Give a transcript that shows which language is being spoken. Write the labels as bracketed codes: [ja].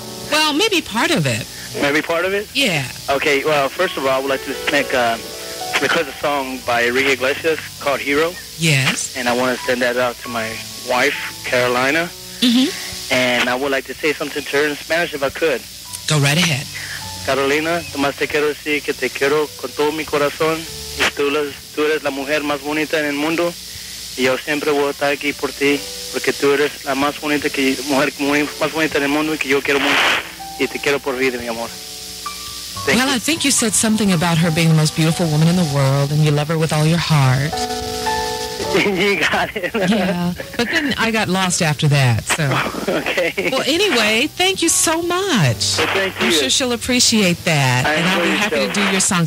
[en] Well, maybe part of it. Maybe part of it? Yeah. Okay, well, first of all, I would like to make because a song by Enrique Iglesias called Hero. Yes. And I want to send that out to my wife, Carolina. Mm-hmm. And I would like to say something to her in Spanish if I could. Go right ahead. [es] Carolina, nomás te quiero decir que te quiero con todo mi corazón. Y tú eres la mujer más bonita en el mundo. Y yo siempre voy a estar aquí por ti. Porque tú eres la más bonita que mujer más bonita en el mundo y que yo quiero mucho. Y te quiero por vida, mi amor. [en] Well, I think you said something about her being the most beautiful woman in the world, and you love her with all your heart. You got it. Yeah, but then I got lost after that, so. Okay. Well, anyway, thank you so much. Well, thank you. I'm sure she'll appreciate that, and I'll be happy to do your song.